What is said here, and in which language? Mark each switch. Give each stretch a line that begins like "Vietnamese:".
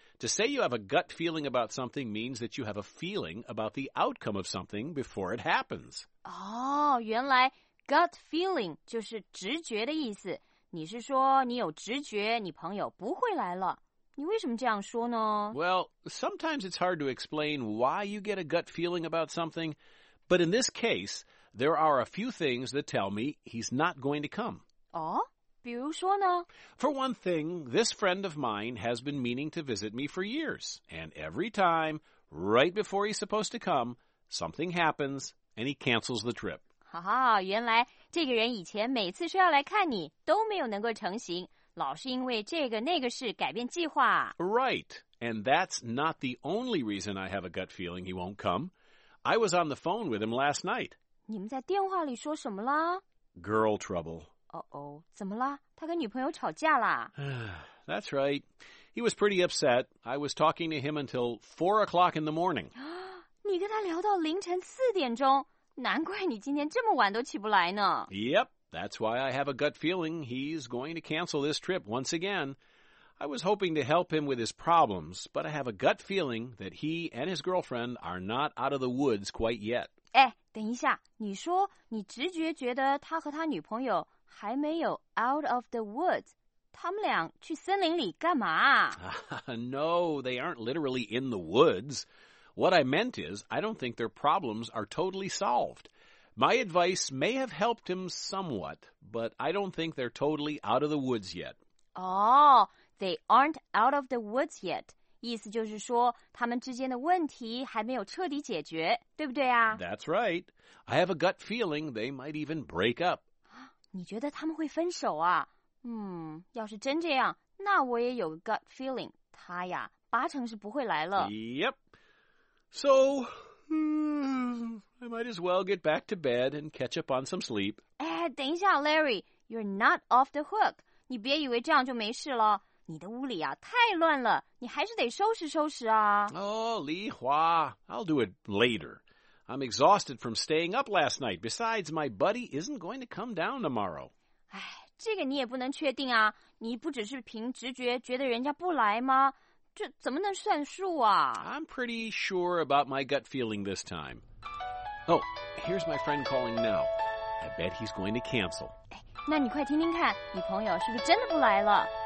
English: To say you have a gut feeling about something means that you have a feeling about the outcome of something before it happens.
Chinese: Oh, 原来Gut feeling 就是直觉的意思。你是说你有直觉你朋友不会来了。你为什么这样说呢？
English: Well, sometimes it's hard to explain why you get a gut feeling about something, but in this case, there are a few things that tell me he's not going to come.
Chinese: 哦？比如说呢？
English: For one thing, this friend of mine has been meaning to visit me for years, and every time, right before he's supposed to come, something happens and he cancels the trip.
Chinese: 哦，原来这个人以前每次说要来看你都没有能够成行，老是因为这个那个事改变计划。
English: Right, and that's not the only reason I have a gut feeling he won't come. I was on the phone with him last night.
Chinese: 你们在电话里说什么啦？
English: Girl trouble.
Chinese: Uh-oh, 怎么啦？他跟女朋友吵架啦？
English: That's right. He was pretty upset. I was talking to him until 4 o'clock in the morning.
Chinese: 你跟他聊到凌晨4点钟？难怪你今天这么晚都起不来呢。
English: Yep, that's why I have a gut feeling he's going to cancel this trip once again. I was hoping to help him with his problems, but I have a gut feeling that he and his girlfriend are not out of the woods quite yet.
Chinese: 哎，等一下，你说你直觉觉得他和他女朋友还没有
English: out of the woods,
Chinese: 他们俩去森林里干嘛
English: No, they aren't literally in the woods. What I meant is, I don't think their problems are totally solved. My advice may have helped him somewhat, but I don't think they're totally out of the woods yet. Oh, they aren't out of the woods yet.
Chinese: 意思就是说他们之间的问题还没有彻底解决，对不对啊
English: That's right. I have a gut feeling they might even break up.
Chinese: 你觉得他们会分手啊要是真这样，那我也有 gut feeling， 他呀，八成是不会来了。
English: Yep. So, I might as well get back to bed and catch up on some sleep.
Chinese: 哎，等一下
English: ，Larry， you're not off the hook.
Chinese: 你别以为这样就没事了。你的屋里啊，太乱了，你还是得收拾收拾啊。
English: Oh, Li Hua, I'll do it later. I'm exhausted from staying up last night. Besides, my buddy isn't going to come down tomorrow.
Chinese: 哎。这个你也不能确定啊，你不只是凭直觉觉得人家不来吗？这怎么能算数啊
English: ？I'm pretty sure about my gut feeling this time. Oh, here's my friend calling now. I bet he's going to cancel.
Chinese: 那你快听听看，你朋友是不是真的不来了